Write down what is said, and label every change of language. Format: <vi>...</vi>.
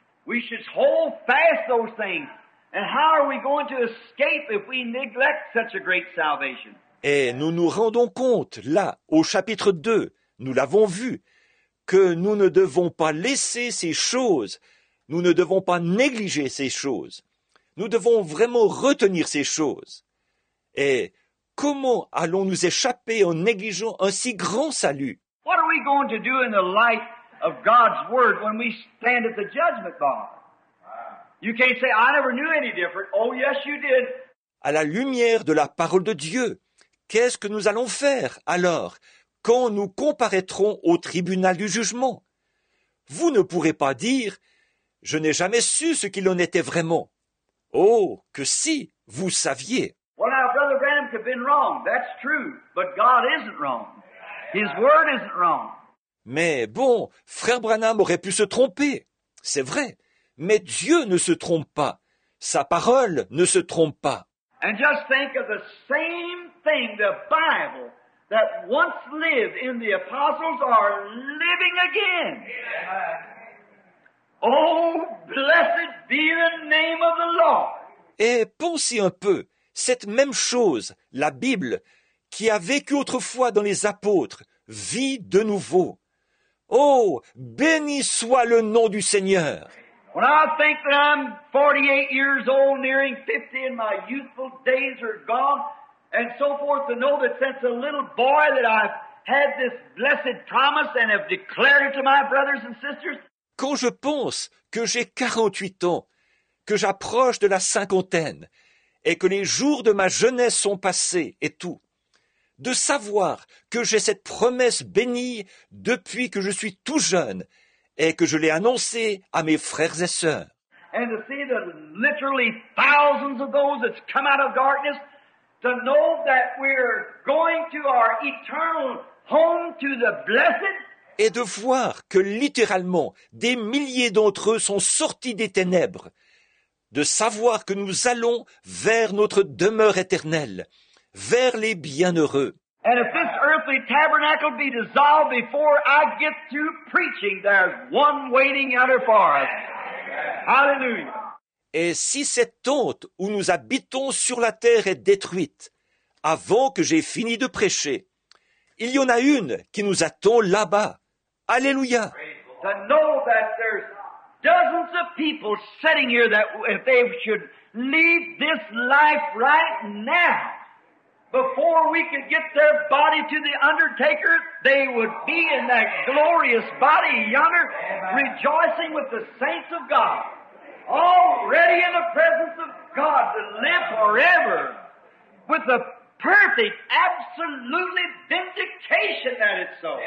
<en>We should hold fast those things. And how are we going to escape if we neglect such a great salvation?</en> <fr>Et nous nous rendons compte, là, au chapitre 2, nous l'avons vu, que nous ne devons pas laisser ces choses, nous ne devons pas négliger ces choses. Nous devons vraiment retenir ces choses. Et comment allons-nous échapper en négligeant un si grand salut?</fr> <en>What are we going to do in the light of God's word when we stand at the judgment bar? You can't say, I never knew any different. Oh, yes, you did.</en> <fr>À la lumière de la parole de Dieu, qu'est-ce que nous allons faire alors quand nous comparaîtrons au tribunal du jugement? Vous ne pourrez pas dire, je n'ai jamais su ce qu'il en était vraiment. Oh, que si, vous saviez.</fr> <en>Well, now, Brother Branham could have been wrong. That's true. But God isn't wrong. His word isn't wrong.</en> <fr>Mais bon, Frère Branham aurait pu se tromper. C'est vrai. Mais Dieu ne se trompe pas. Sa parole ne se trompe pas.</fr> <en>And just think of the same thing, the Bible, that once lived in the apostles are living again. Oh, blessed be the name of the Lord.</en> <fr>Et pensez un peu, cette même chose, la Bible, qui a vécu autrefois dans les apôtres, vit de nouveau. Oh, béni soit le nom du Seigneur.</fr> <en>When I think that I'm 48 years old, nearing 50, and my youthful days are gone, and so forth, to know that since a little boy that I've had this blessed promise and have declared it to my brothers and sisters.</en> <fr>Quand je pense que j'ai 48 ans, que j'approche de la cinquantaine et que les jours de ma jeunesse sont passés et tout, de savoir que j'ai cette promesse bénie depuis que je suis tout jeune et que je l'ai annoncée à mes frères et sœurs.</fr> <en>And to see the literally thousands of those that's come out of darkness, to know that we're going to our eternal home to the blessed.</en> <fr>Et de voir que littéralement des milliers d'entre eux sont sortis des ténèbres, de savoir que nous allons vers notre demeure éternelle, vers les bienheureux.</fr> <en>And if this earthly tabernacle be dissolved before I get through preaching, there's one waiting out there for us. Hallelujah.</en> <fr>Et si cette tente où nous habitons sur la terre est détruite, avant que j'aie fini de prêcher, il y en a une qui nous attend là-bas. Alléluia.</fr> <en>To know that there's dozens of people sitting here that if they should leave this life right now, before we could get their body to the undertaker, they would be in that glorious body yonder, rejoicing with the saints of God, already in the presence of God to live forever with the perfect, absolutely vindication that it's so.</en>